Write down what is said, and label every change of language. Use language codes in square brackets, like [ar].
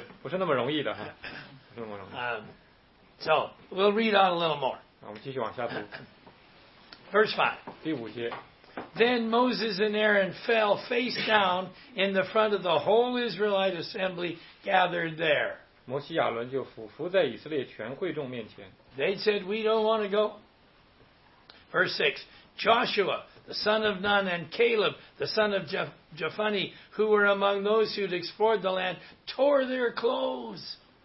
[zh] 不是那么容易的。不是那么容易的。 [en] So, we'll read on a little more. [zh] 我们继续往下读。 [en] Verse 5. [zh] 第五节。 [en] Then Moses and Aaron fell face down in the front of the whole Israelite assembly gathered there. [zh] 摩西亚伦就俯伏在以色列全会众面前。 [en] They said, we don't want to go. Verse 6. Joshua, the son of Nun, and Caleb, the son of Jephunneh, who were among those who had explored the land, tore their clothes.